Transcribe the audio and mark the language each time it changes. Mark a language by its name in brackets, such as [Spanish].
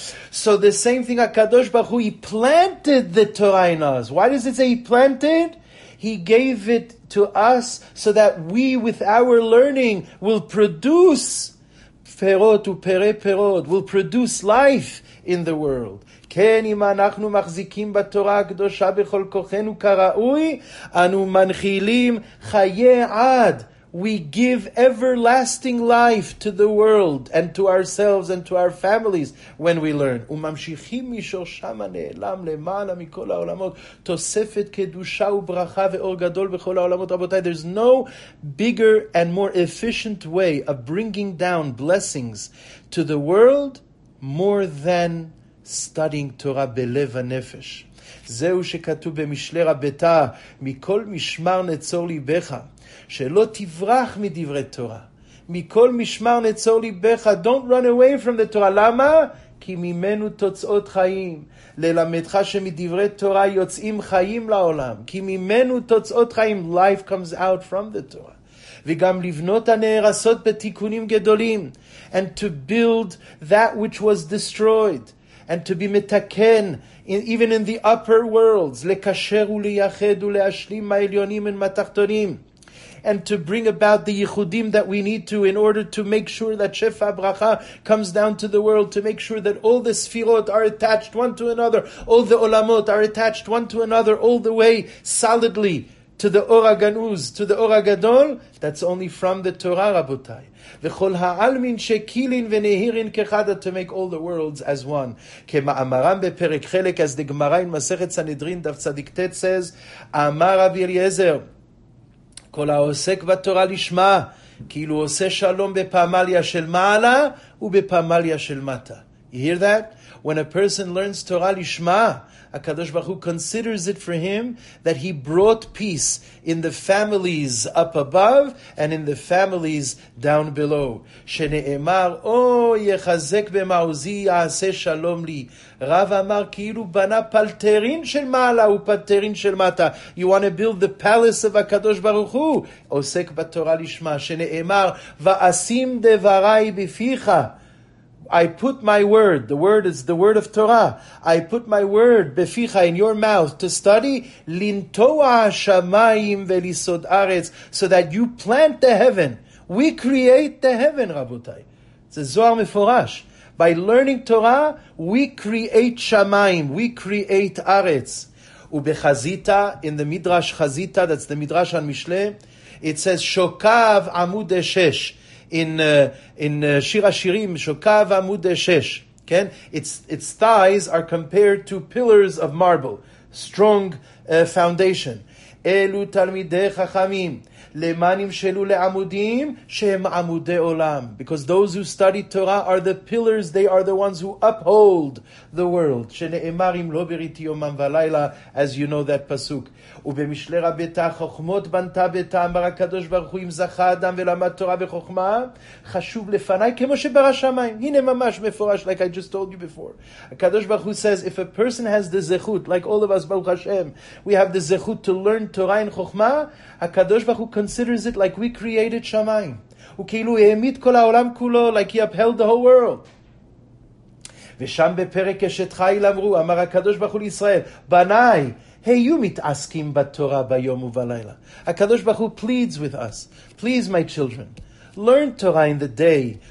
[English] So the same thing, HaKadosh Baruch Hu, he planted the Torah in us. Why does it say he planted? He gave it to us so that we, with our learning, will produce [Hebrew] perot upere perot, [English] will produce life in the world. [Hebrew] כן, אם אנחנו מחזיקים בתורה הקדושה בכל כוחנו כראוי, אנו מנחילים חיי עד. [English] We give everlasting life to the world and to ourselves and to our families when we learn. [Hebrew] וממשיכים משורשם הנעלם למעלה מכל העולמות, תוספת קדושה וברכה ואור גדול בכל העולמות. [English] רבותיי, there's no bigger and more efficient way of bringing down blessings to the world more than studying Torah [Hebrew] בלב הנפש. זהו שכתוב במשלי רבתא, מכל משמר נצור ליבך, שלא תברח מדברי תורה. מכל משמר נצור ליבך, [English] don't run away from the Torah. [Hebrew] למה? כי ממנו תוצאות חיים. ללמדך שמדברי תורה יוצאים חיים לעולם. כי ממנו תוצאות חיים. [English] Life comes out from the Torah. [Hebrew] וגם לבנות הנהרסות בתיקונים גדולים. [English] And to build that which was destroyed. And to be metaken even in the upper worlds. [Hebrew] לקשר ולייחד ולהשלים מהעליונים ומהתחתונים. [English] And to bring about the yichudim that we need to in order to make sure that Shefa Bracha comes down to the world, to make sure that all the sfirot are attached one to another, all the olamot are attached one to another, all the way solidly to the Oraganuz, to the Oragadol. That's only from the Torah, Rabotai. [Aramaic] V'chol ha'almin shekilin v'nehirin kechada, [English] to make all the worlds as one. [Hebrew] Kema'amaram beperek chelek, as the Gemara in Masechet Sanhedrin, Daf Tzadik Tet says, Amar Rabbi Eliezer, כל העוסק בתורה לשמע, כאילו עושה שלום בפמליה של מעלה ובפמליה של מטה. [English] You hear that? When a person learns Torah לשמע, HaKadosh Baruch Hu considers it for him that he brought peace in the families up above and in the families down below. [Hebrew] שנאמר, או יחזק במעוזי יעשה שלום לי. רב אמר, כאילו בנה פלטרין של מעלה ופלטרין של מטה. [English] You want to build the palace of HaKadosh Baruch Hu? [Hebrew] עוסק בתורה לשמה. שנאמר, ועשים דבריי בפיך. [English] I put my word, the word is the word of Torah, I put my word, beficha, in your mouth, to study, [Hebrew] lintoa shamayim velisod aretz, [English] so that you plant the heaven. We create the heaven, Rabotai. It's Zohar Meforash. By learning Torah, we create shamayim, we create aretz. Ubechazita, in the Midrash Chazita, that's the Midrash on Mishle, it says, shokav amud eshesh. In Shir HaShirim, Shokav Amud Eshesh, okay? Its thighs are compared to pillars of marble, strong foundation. [Hebrew] אלו תלמידי חכמים, למען ימשלו לעמודים שהם עמודי עולם. [English] Because those who study Torah are the pillars, they are the ones who uphold the world. [Hebrew] שנאמר אם לא בריתי יומם ולילה, [English] as you know that [Hebrew] פסוק. ובמשלי רבתה חוכמות בנתה בתה, אמר הקדוש ברוך הוא, אם זכה אדם ולמד תורה וחוכמה, חשוב לפניי כמו שברא שמיים. הנה ממש מפורש, [English] like I just told you before. הקדוש ברוך הוא says, if a person has the זכות, like all of us, ברוך השם, we have the זכות to learn Torah and חוכמה, הקדוש ברוך הוא considers it like we created שמיים. [Hebrew] הוא כאילו העמיד כל העולם כולו, [English] like he upheld the whole world. [Hebrew] ושם בפרק אשת חיל אמרו, אמר הקדוש ברוך הוא לישראל, בניי, היו מתעסקים בתורה ביום ובלילה. [English] הקדוש ברוך הוא pleads with us. Please, my children, learn Torah in the day.